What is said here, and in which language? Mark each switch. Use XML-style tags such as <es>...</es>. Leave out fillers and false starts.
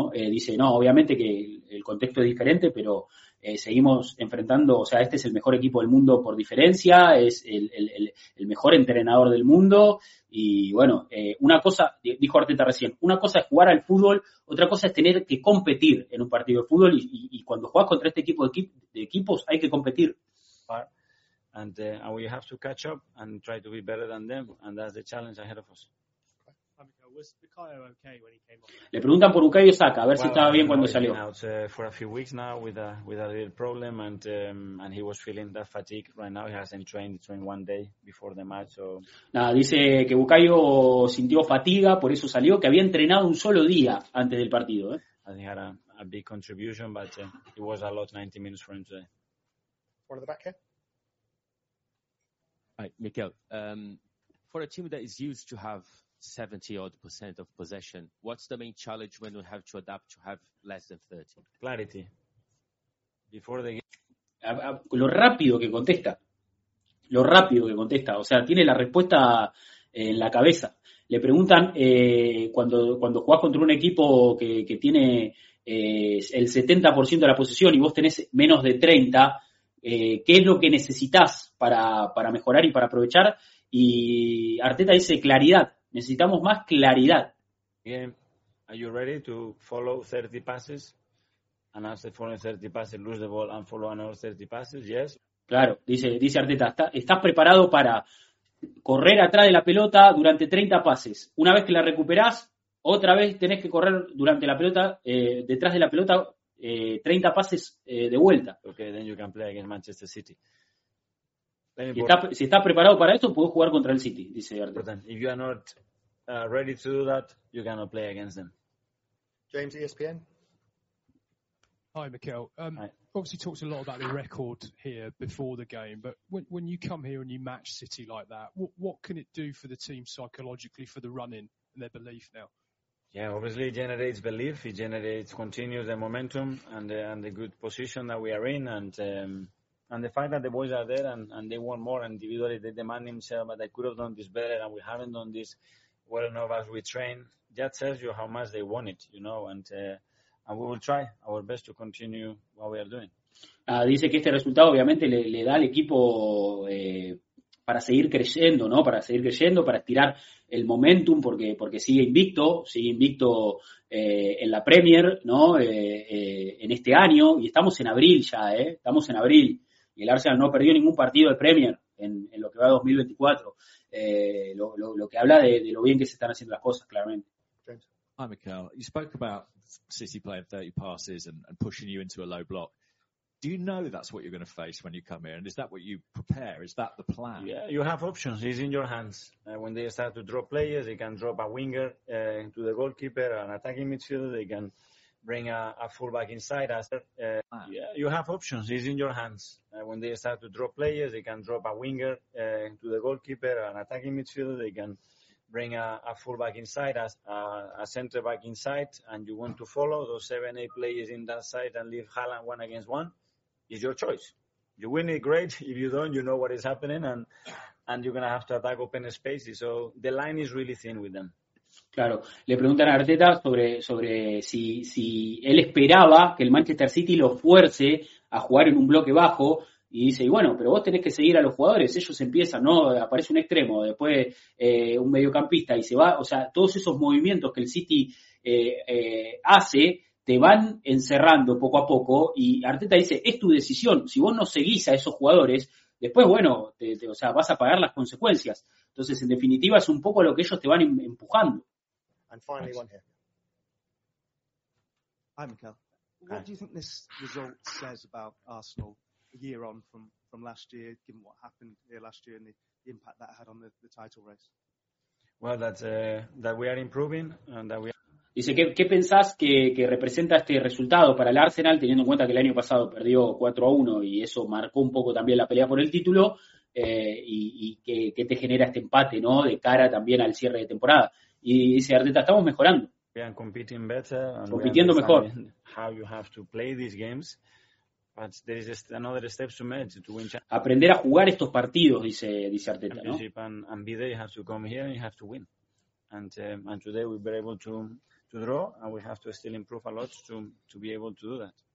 <es>Dice, no, obviamente que el contexto es diferente, pero seguimos enfrentando, o sea, este es el mejor equipo del mundo por diferencia, es el mejor entrenador del mundo, y bueno, una cosa, dijo Arteta recién, una cosa es jugar al fútbol, otra cosa es tener que competir en un partido de fútbol, y cuando juegas contra este equipo de equipos, hay que competir.</es> <en>And we have to catch up and try to be better than them, and that's the challenge ahead of us.</en> <es>Le preguntan por Bukayo Saka, a ver si estaba bien cuando salió.</es> <en>For a few weeks now with a little problem and he was feeling that fatigue. Right now he hasn't trained one day before the match. So.</en> <es>Nada, dice que Bukayo sintió fatiga, por eso salió, que había entrenado un solo día antes del partido.</es> <en>I think he had a big contribution, but it was a lot 90 minutes for him today. What are the back here? Hi, Mikel. For a team that is used to have 70-odd% of possession. What's the main challenge when we have to adapt to have less than 30? Clarity. Before the</en> <es>game. Lo rápido que contesta. Lo rápido que contesta. O sea, tiene la respuesta en la cabeza. Le preguntan cuando jugás contra un equipo que tiene el 70% de la posesión y vos tenés menos de 30, ¿qué es lo que necesitás para mejorar y para aprovechar? Y Arteta dice claridad. Necesitamos más claridad.</es> <en>Again, are you ready to follow 30 passes? And after following 30 passes, lose the ball and follow another 30 passes? Yes.</en> <es>Claro, dice Arteta, ¿estás preparado para correr atrás de la pelota durante 30 pases? Una vez que la recuperás, otra vez tenés que correr durante la pelota, detrás de la pelota, 30 pases de vuelta.</es> <en>Okay, then you can play against Manchester City.</en> <es>Si estás preparado para esto, puedes jugar contra el City, dice Arteta.</es> <en>If you are not ready to do that, you cannot play against them. James, ESPN. Hi, Mikel. Hi. Obviously talked a lot about the record here before the game, but when you come here and you match City like that, what can it do for the team psychologically for the run-in and their belief now? Yeah, obviously it generates belief. It generates continues the momentum and the good position that we are in. And the fact that the boys are there and they want more individually, they demand themselves, but they could have done this better and we haven't done this well enough as we train. That tells you how much they want it, you know, and we will try our best to continue what we are doing.</en> <es>Dice que este resultado obviamente le da al equipo para seguir creciendo, ¿no? Para seguir creciendo, para estirar el momentum, porque sigue invicto en la Premier, ¿no? En este año, y estamos en abril ya, estamos en abril. Y el Arsenal no perdió ningún partido de Premier en lo que va a 2024. Lo que habla de lo bien que se están haciendo las cosas, claramente.</es> <en>Hi, Mikel. You spoke about City playing 30 passes and pushing you into a low block. Do you know that's what you're going to face when you come here? And is that what you prepare? Is that the plan? Yeah, you have options. It's in your hands. When they start to drop players, they can drop a winger to the goalkeeper, an attacking midfielder, they can bring a fullback inside us. You have options. It's in your hands. When they start to drop players, they can drop a winger to the goalkeeper, an attacking midfielder. They can bring a fullback inside us, a centre back inside, and you want to follow those 7-8 players in that side and leave Haaland one against one. It's your choice. You win it, great. If you don't, you know what is happening, and you're gonna have to attack open spaces. So the line is really thin with them.</en> <es>Claro, le preguntan a Arteta sobre si él esperaba que el Manchester City lo fuerce a jugar en un bloque bajo y dice, y bueno, pero vos tenés que seguir a los jugadores, ellos empiezan, ¿no? Aparece un extremo, después un mediocampista y se va, o sea, todos esos movimientos que el City hace te van encerrando poco a poco y Arteta dice, es tu decisión, si vos no seguís a esos jugadores, después, bueno, o sea, vas a pagar las consecuencias. Entonces, en definitiva, es un poco lo que ellos te van empujando.</es> <en>And finally, one here. Hi, Mikel. What do you think this result says about Arsenal a year on from last year, given what happened here last year in the the impact that had on the title race? Well, that we are improving and that we are...</en> <es>Dice, ¿qué pensás que representa este resultado para el Arsenal, teniendo en cuenta que el año pasado perdió 4-1 y eso marcó un poco también la pelea por el título? Y qué te genera este empate, ¿no? De cara también al cierre de temporada. Y dice Arteta, estamos mejorando.</es> <en>We are competing better and</en> <es>compitiendo mejor.</es> <en>How you have to play these games. But there is another step to make to win.</en> <es>Aprender a jugar estos partidos, dice Arteta, ¿no?</es> <en>And be there, you have to come here and you have to win. And today we were able to draw and we have to still improve a lot to be able to do that.</en>